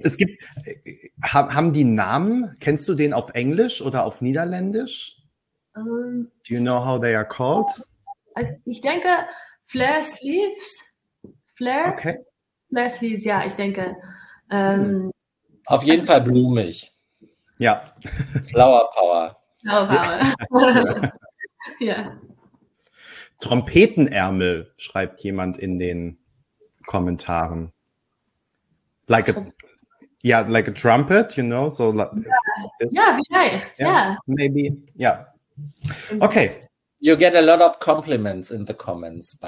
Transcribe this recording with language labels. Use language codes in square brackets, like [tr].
[de] Es gibt, haben die Namen, kennst du den auf Englisch oder auf Niederländisch? [en] Do you know how they are called? [de] Ich denke, Flair Sleeves. Flair? Okay. Flair Sleeves, ja, ich denke. Auf jeden Fall blumig. Ja. [en] Flower Power. [de] Ja. Ja. Ja. Trompetenärmel, schreibt jemand in den Kommentaren. [en] Like a trumpet, you know, so like this. [de] Ja, vielleicht, [en] Yeah, [de] ja. [en] maybe. Yeah. Okay. You get a lot of compliments in the comments, by